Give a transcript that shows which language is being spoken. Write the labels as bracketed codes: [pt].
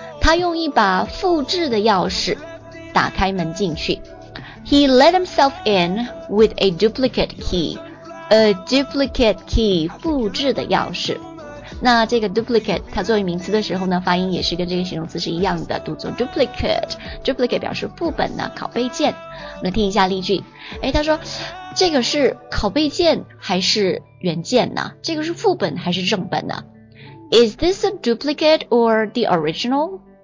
[zh] 他用一把复制的钥匙打开门进去。 [en] He let himself in with a duplicate key. A duplicate key, 复制的钥匙。 [zh] 那这个 duplicate 它作为名词的时候呢，发音也是跟这个形容词是一样的，读作 duplicate。 duplicate 表示副本呢，拷贝件。我们来听一下例句。诶，他说这个是拷贝件还是原件呢？这个是副本还是正本呢？ Is this a duplicate or the original?